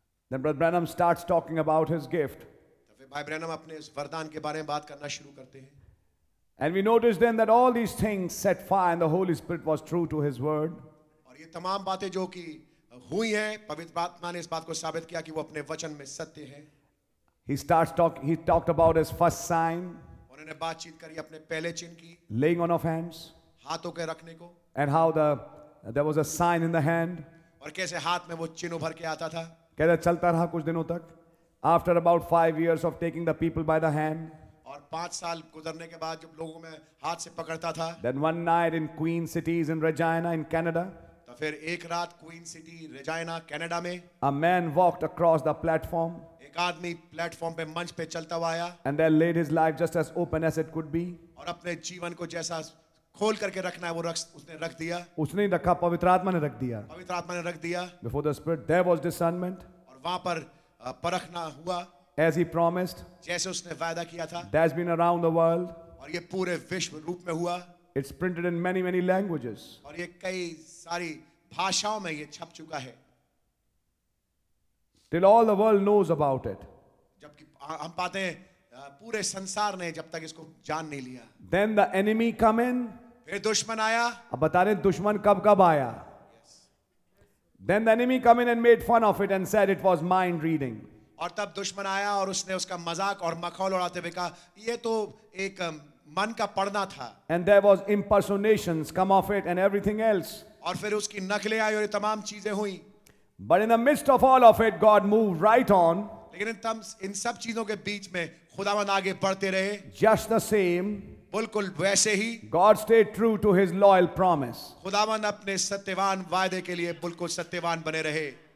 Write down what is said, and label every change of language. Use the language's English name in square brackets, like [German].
[English] Then Brother Branham starts talking about his gift. [Hindi] भाई Branham अपने इस वरदान के बारे में बात करना शुरू करते हैं. [English] And we notice then that all these things set fire and the Holy Spirit was true to his word. [Hindi] और ये तमाम बातें जो कि हुई हैं, पवित्र आत्मा ने इस बात को साबित किया कि वो अपने वचन में सत्य हैं. [English] He talked about his first sign. [Hindi] उन्होंने बातचीत करी अपने पहले चिन्ह की. [English] Laying on of hands. [Hindi] हाथों के रखने को. [English] And how there was a sign in the hand. [Hindi] और कैसे हाथ में वो चिन्ह उभर के आता था. कहता चलता रहा कुछ दिनों तक. [English] After about 5 years of taking the people by the hand. [Hindi] और 5 साल गुजरने के बाद जब लोगों में हाथ से पकड़ता था. [English] Then one night in Queen Cities in Regina in Canada. [Hindi] तो फिर एक रात Queen City Regina Canada में. [English] A man walked across the platform. [Hindi] एक आदमी प्लेटफॉर्म पे मंच पे चलता हुआ आया. [English] And then laid his life just as open as it could be. [Hindi] और अपने जीवन को जैसा खोल करके रखना है वो रख उसने रख दिया. उसने ही रखा, पवित्र आत्मा ने रख दिया. पवित्र आत्मा ने रख दिया. [English] Before the Spirit there was discernment. [Hindi] और वहाँ पर परखना हुआ. [English] As he promised. [Hindi] जैसे उसने वादा किया था. [English] That's been around the world. [Hindi] और ये पूरे विश्व रूप में हुआ. [English] It's printed in many many languages. [Hindi] और ये कई सारी भाषाओं में ये छप चुका है. [English] Till all the world knows about it. [Hindi] जबकि हम पाते हैं पूरे संसार ने जब तक इसको जान नहीं लिया. [English] Then the enemy come in. [Hindi] फिर दुश्मन आया. अब बता रहे दुश्मन कब कब आया. [English] Yes. Then the enemy come in and made fun of it and said it was mind reading. [Hindi] और तब दुश्मन आया और उसने उसका मजाक और मखौल उड़ाते हुए कहा ये तो एक मन का पढ़ना था. [English] And there was impersonations come of it and everything else. [Hindi] और फिर उसकी नकलें आई और ये तमाम चीजें हुई. [English] But in the midst of all of it God moved right on. [Hindi] लेकिन इन सब चीजों के बीच में खुदावन आगे बढ़ते रहे. [English] just the same, [Hindi] बिल्कुल वैसे ही. [English] God stayed true to his loyal promise. [Hindi] खुदावन अपने सत्यवान वायदे के लिए बिल्कुल सत्यवान बने रहे.